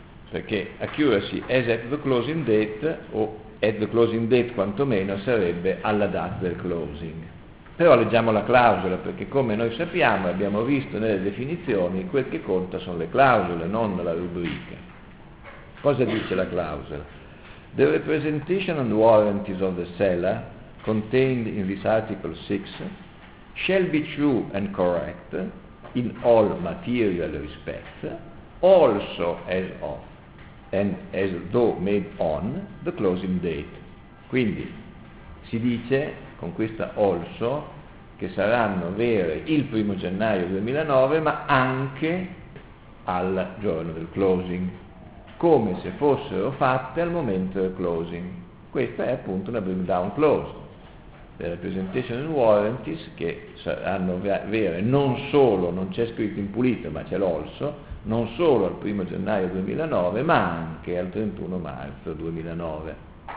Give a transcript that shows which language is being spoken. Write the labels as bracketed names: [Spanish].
[Italian] Perché [English] accuracy as at the closing date, o at the closing date [Italian] quantomeno, sarebbe alla data del closing. Però leggiamo la clausola, perché come noi sappiamo, abbiamo visto nelle definizioni, quel che conta sono le clausole, non la rubrica. Cosa dice la clausola? [English] The representation and warranties of the seller contained in this article 6 shall be true and correct in all material respects, also as of and as though made on the closing date. [Italian] Quindi si dice con questa also che saranno vere il 1 gennaio 2009 ma anche al giorno del closing, come se fossero fatte al momento del closing. Questa è appunto una bring down clause. Le representation and warranties che saranno vere non solo, non c'è scritto in pulito ma c'è l'also, non solo al 1 gennaio 2009 ma anche al 31 marzo 2009.